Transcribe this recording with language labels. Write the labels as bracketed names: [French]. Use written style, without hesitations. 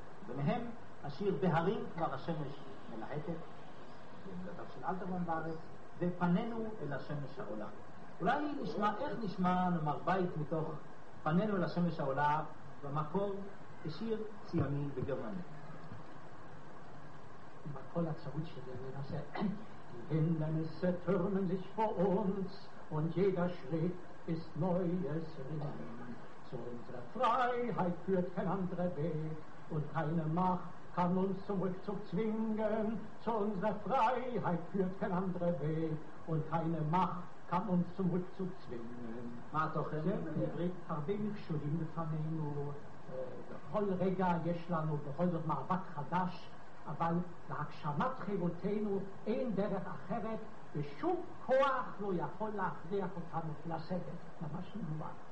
[Hebrew] ביניהם השיר בהרים כבר השמש מלהטת, בגדיו של אלתרמן בארץ, ופנינו אל השמש העולה. אולי נשמע, איך נשמע, נאמר, בית מתוך פנינו אל השמש העולה, במקור, כשיר ציוני בגרמניה. בכל הצעות שזה נעשה, [German] Hindernisse türmen sich vor uns und jeder Schritt ist neues Ringen. Zu unserer Freiheit führt kein anderer Weg und keine Macht kann uns zum Rückzug zwingen. Zu unserer Freiheit führt kein anderer Weg und keine Macht kann uns zum Rückzug zwingen. Matoche, der Krieg hat wenig Schulden gefangen, [Hebrew] בכל רגע יש לנו בכל זאת מאבק חדש אבל להגשמת חירותינו אין דרך אחרת ושום כוח לא יכול להכריח אותנו לסדר ממש נגמר